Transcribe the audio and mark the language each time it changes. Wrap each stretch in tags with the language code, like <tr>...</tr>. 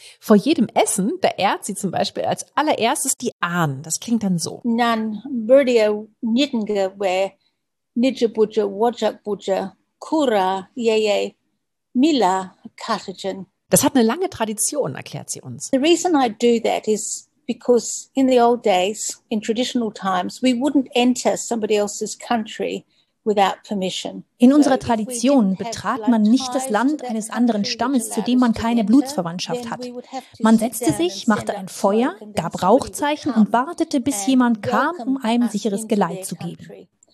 <de>Vor jedem Essen, da ehrt sie zum Beispiel als allererstes die Ahnen. Das klingt dann so.</de> <nys>Nan, Birdia, Nidengewe, Nidjebuche, Wajakbuche, Kura, Yeye, Mila, Katagen.</nys> <de>Das hat eine lange Tradition, erklärt sie uns.</de> <en>The reason I do that is because in the old days, in traditional times, we wouldn't enter somebody else's country</en> <de>In unserer Tradition betrat man nicht das Land eines anderen Stammes, zu dem man keine Blutsverwandtschaft hat. Man setzte sich, machte ein Feuer, gab Rauchzeichen und wartete, bis jemand kam, um einem sicheres Geleit zu geben.</de>